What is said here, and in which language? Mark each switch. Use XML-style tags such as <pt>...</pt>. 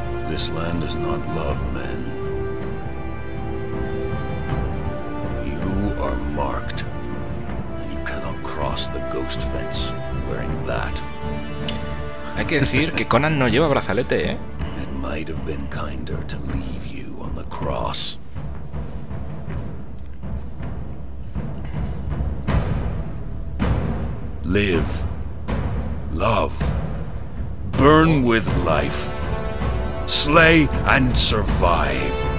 <en>This land does not love men. You are marked. You cannot cross the ghost fence wearing that.</en> <es>Hay que decir que Conan no lleva brazalete, ¿eh?</es> <en>It might have been kinder to leave you on the cross. Live, love, burn with life, slay and survive.</en>